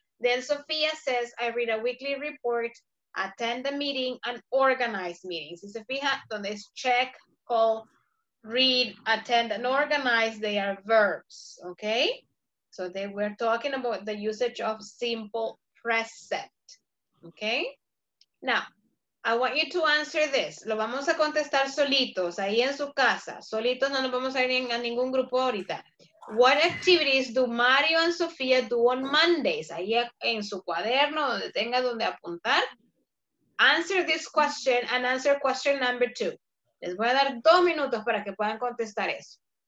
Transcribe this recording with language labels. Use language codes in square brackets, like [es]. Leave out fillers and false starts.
[en] Then Sofia says, I read a weekly report, attend the meeting, and organize meetings. [es] Si se fija, donde es [en] check, call, read, attend, and organize, they are verbs, okay? So they were talking about the usage of simple present, okay? Now, I want you to answer this. [es] Lo vamos a contestar solitos, ahí en su casa. Solitos, no nos vamos a ir a ningún grupo ahorita. [en] What activities do Mario and Sofia do on Mondays? [es] Ahí en su cuaderno, donde tenga donde apuntar. [en] Answer this question and answer question number 2. [es] Les voy a dar 2 minutos para que puedan contestar eso.